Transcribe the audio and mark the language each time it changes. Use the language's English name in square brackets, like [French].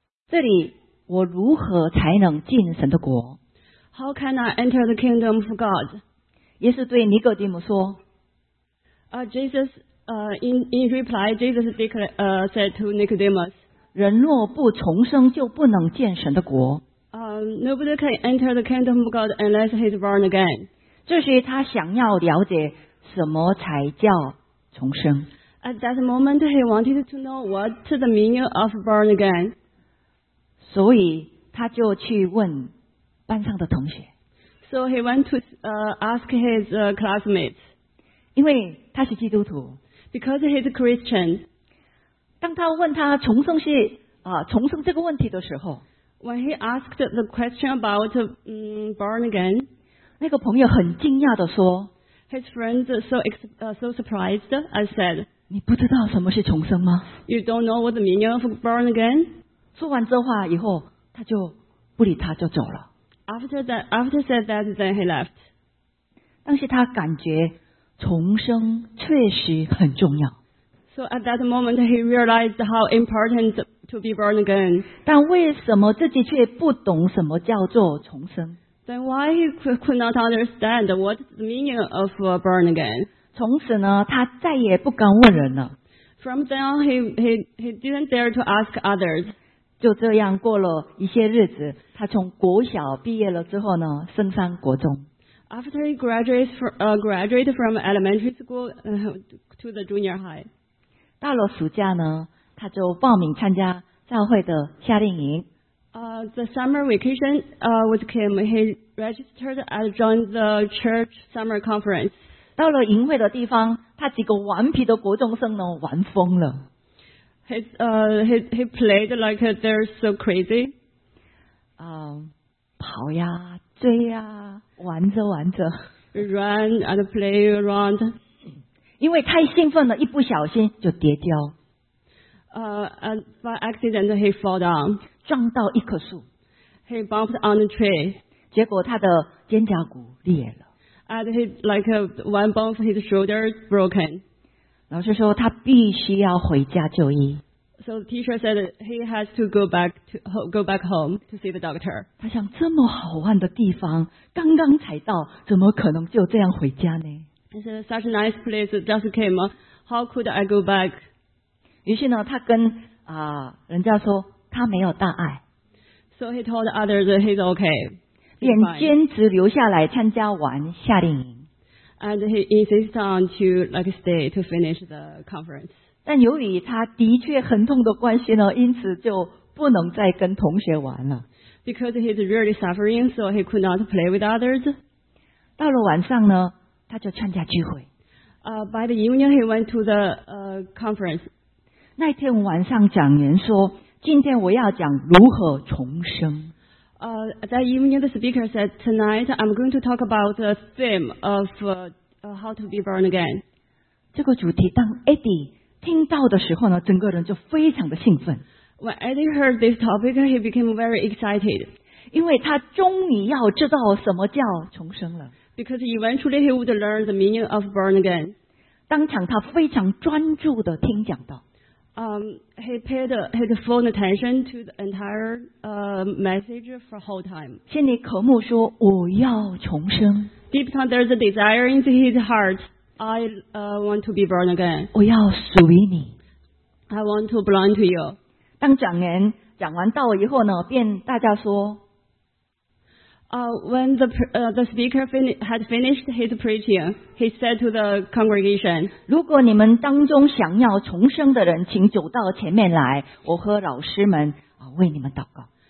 [Chinese] 这里我如何才能进神的国？ [English] How can I enter the kingdom of God? [Chinese] 耶稣对尼哥底母说。 [English] Jesus, in reply, Jesus said to Nicodemus, [Chinese] 人若不重生，就不能见神的国。 [English] Nobody can enter the kingdom of God unless he's born again. [Chinese] 这是他想要了解什么才叫重生。 [English] At that moment, he wanted to know what's the meaning of born again. [Chinese] 所以他就去问班上的同学。 [English] So he went to ask his classmates. [Chinese] 因为他是基督徒。 [English] Because he's a Christian. [Chinese] 当他问他重生是重生这个问题的时候。 [English] When he asked the question about born again. [Chinese] 那个朋友很惊讶地说。 [English] His friends so surprised and said. [Chinese] 你不知道什么是重生吗？ [English] You don't know what the meaning of born again? [Chinese] 说完这话以后他就不理他就走了。 [English] After said that, then he left. [Chinese] 但是他感觉重生确实很重要。 [English] So at that moment, he realized how important to be born again. [Chinese] 但为什么自己却不懂什么叫做重生？ [English] Then why he could not understand what's the meaning of born again? [Chinese] 从此呢，他再也不敢问人了。 [English] From then on, he didn't dare to ask others. [Chinese] 就这样过了一些日子，他从国小毕业了之后呢，升上国中。 [English] After he graduated from elementary school to the junior high. [Chinese] 到了暑假呢，他就报名参加教会的夏令营。 [English] The summer vacation with him, he registered and joined the church summer conference. [Chinese] 到了营会的地方，他几个顽皮的国中生呢，玩疯了。 [English] He played like they're so crazy. [Chinese] 跑呀，追呀，玩着玩着。 [English] Run and play around. [Chinese] 因为太兴奋了，一不小心就跌跤。 [English] And by accident he fell down. [Chinese] 撞到一棵树。 [English] He bumped on the tree. [Chinese] 结果他的肩胛骨裂了。 [English] And he like one bone of his shoulder broken. [Chinese] 老师说他必须要回家就医。 [English] So the teacher said he has to go back home to see the doctor. [Chinese] 他想这么好玩的地方刚刚才到，怎么可能就这样回家呢？ [English] He said such a nice place just came. How could I go back? [Chinese] 于是呢，他跟人家说他没有大碍。 [English] So he told others that he's okay. [Chinese] 便坚持留下来参加完夏令营。 [English] And he insists on to like stay to finish the conference. [Chinese] 但由于他的确很痛的关系呢，因此就不能再跟同学玩了。 [English] Because he's really suffering, so he could not play with others. [Chinese] 到了晚上呢，他就参加聚会。 [English] By the evening, he went to the conference. [Chinese] 那天晚上讲员说，今天我要讲如何重生。 [English] That evening, the speaker said, tonight I'm going to talk about the theme of how to be born again. [Chinese] 这个主题当 Eddie 听到的时候呢，整个人就非常的兴奋。 [English] When Eddie heard this topic, he became very excited. [Chinese] 因为他终于要知道什么叫重生了。 [English] Because eventually he would learn the meaning of born again. [Chinese] 当场他非常专注地听讲道。 [English] He paid his full attention to the entire message for the whole time. [Chinese] 心里渴慕说，我要重生。 [English] Deep down there's a desire in his heart. I want to be born again. [Chinese] 我要属于你。 [English] I want to belong to you. [Chinese] 当讲员讲完道以后呢，便大家说。 [English] When the speaker had finished his preaching, he said to the congregation, [Chinese] 如果你们当中想要重生的人，请走到前面来，我和老师们为你们祷告。